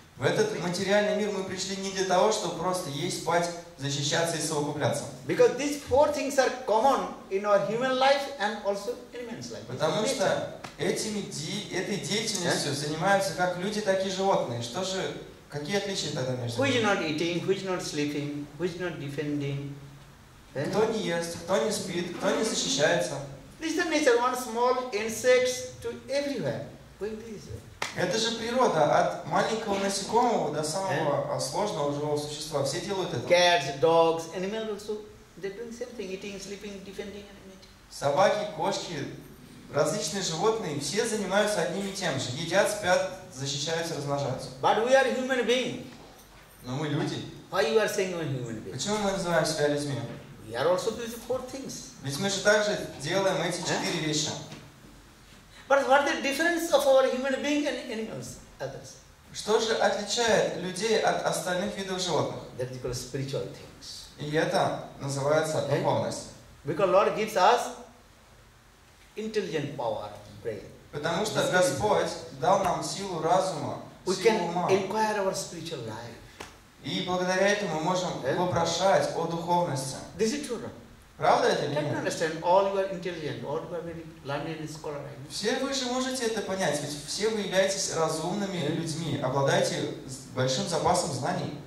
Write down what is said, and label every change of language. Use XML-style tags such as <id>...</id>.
<ru>В этот материальный мир мы пришли не для того, чтобы просто есть, спать, защищаться и совокупляться.</ru> <en>Because these four things are common in our human life and also animals' life.</en> <ru>Потому что этой деятельностью занимаются как люди, так и животные. Что же, какие отличия тогда между ними?</ru> <en>Who is not eating, who is not sleeping, who is not defending?</en> <ru>Кто не ест, кто не спит, кто не защищается?</ru> <en>This is the nature, one small insects to everywhere.</en> <ru>Это же природа, от маленького насекомого до самого сложного живого существа. Все делают это.</ru> <en>Cats, dogs, animals also, they're doing same thing, eating, sleeping, defending, and meeting.</en> <ru>Собаки, кошки, различные животные, все занимаются одним и тем же. Едят, спят, защищаются, размножаются.</ru> <en>But we are human beings.</en> <ru>Но мы люди.</ru> <en>Why you are saying we are human beings?</en> <ru>Почему мы называем себя людьми?</ru> <en>We are also doing four things.</en> <ru>Ведь мы же также делаем эти четыре вещи.</ru> <en>But what the difference of our human being and animals, others?</en> <ru>Что же отличает людей от остальных видов животных?</ru> <en>That is called spiritual things.</en> <ru>И это называется духовность.</ru> <en>Because Lord gives us intelligent power, brain.</en> <ru>Потому что Господь дал нам силу разума, силу ума.</ru> <en>We can inquire our spiritual life.</en> <ru>И благодаря этому мы можем вопрошать о духовности.</ru> <en>This is true.</en> <ru>Правда это или нет?</ru> <en>Can you understand? All you are intelligent, all you are very learned scholar.</en> <ru>Все вы же можете это понять, ведь все вы являетесь разумными людьми, обладаете большим запасом знаний.</ru>